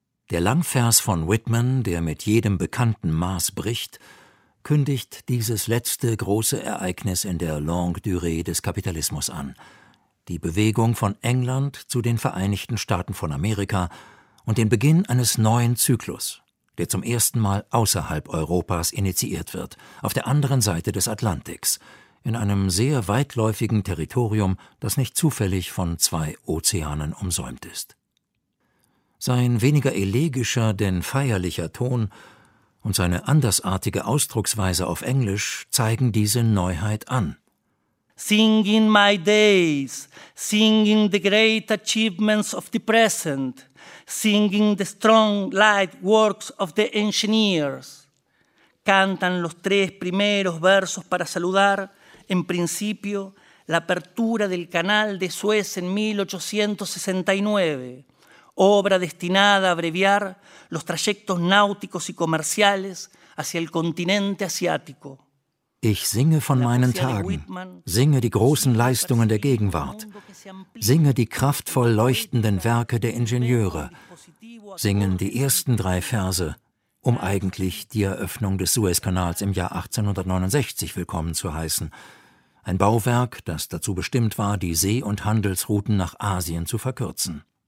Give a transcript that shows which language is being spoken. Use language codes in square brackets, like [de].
[de] Der Langvers von Whitman, der mit jedem bekannten Maß bricht, kündigt dieses letzte große Ereignis in der Longue Durée des Kapitalismus an, die Bewegung von England zu den Vereinigten Staaten von Amerika und den Beginn eines neuen Zyklus, der zum ersten Mal außerhalb Europas initiiert wird, auf der anderen Seite des Atlantiks, in einem sehr weitläufigen Territorium, das nicht zufällig von zwei Ozeanen umsäumt ist. Sein weniger elegischer, denn feierlicher Ton und seine andersartige Ausdrucksweise auf Englisch zeigen diese Neuheit an. [en] Sing in my days, sing in the great achievements of the present, sing in the strong light works of the engineers. [es] Cantan los tres primeros versos para saludar, en principio, la apertura del canal de Suez en 1869. Obra destinada a abreviar los trayectos náuticos y comerciales hacia el continente asiático. [de] Ich singe von meinen Tagen, singe die großen Leistungen der Gegenwart, singe die kraftvoll leuchtenden Werke der Ingenieure, singen die ersten drei Verse, um eigentlich die Eröffnung des Suezkanals im Jahr 1869 willkommen zu heißen, ein Bauwerk, das dazu bestimmt war, die See- und Handelsrouten nach Asien zu verkürzen.